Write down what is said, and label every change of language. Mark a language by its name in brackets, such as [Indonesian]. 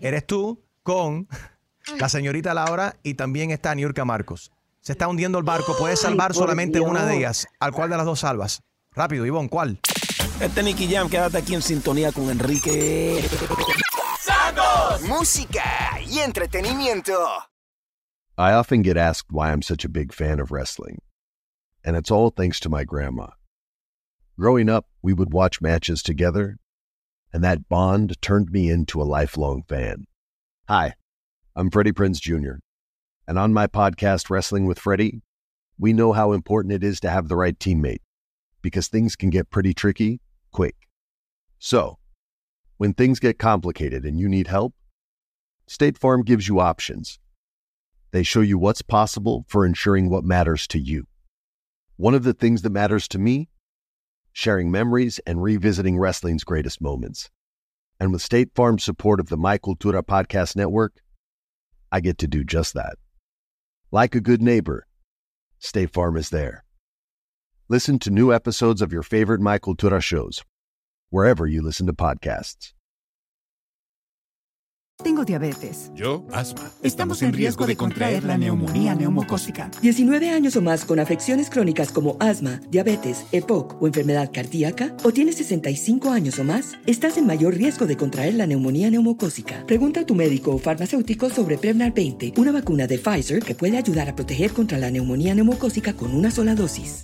[Spanish] Eres tú con la señorita Laura y también está Niurka Marcos. Se está hundiendo el barco, puedes salvar solamente una de ellas. ¿Al cuál de las dos salvas? Rápido, Ivonne, ¿cuál? Este Nicky Jam, quédate aquí en sintonía con Enrique Santos. Música y entretenimiento. [English] I often get asked why I'm such a big fan of wrestling, and it's all thanks to my grandma. Growing up, we would watch matches together, and that bond turned me into a lifelong fan. Hi, I'm Freddie Prinze Jr., and on my podcast, Wrestling with Freddie, we know how important it is to have the right teammate, because things can get pretty tricky quick. So, when things get complicated and you need help, State Farm gives you options. They show you what's possible for insuring what matters to you. One of the things that matters to me? Sharing memories and revisiting wrestling's greatest moments. And with State Farm's support of the My Cultura Podcast Network, I get to do just that. Like a good neighbor, State Farm is there. Listen to new episodes of your favorite My Cultura shows wherever you listen to podcasts. [Spanish] Tengo diabetes. Yo, asma. Estamos en riesgo de contraer la neumonía neumocócica. 19 años o más con afecciones crónicas como asma, diabetes, EPOC o enfermedad cardíaca, o tienes 65 años o más, estás en mayor riesgo de contraer la neumonía neumocócica. Pregunta a tu médico o farmacéutico sobre Prevnar 20, una vacuna de Pfizer que puede ayudar a proteger contra la neumonía neumocócica con una sola dosis.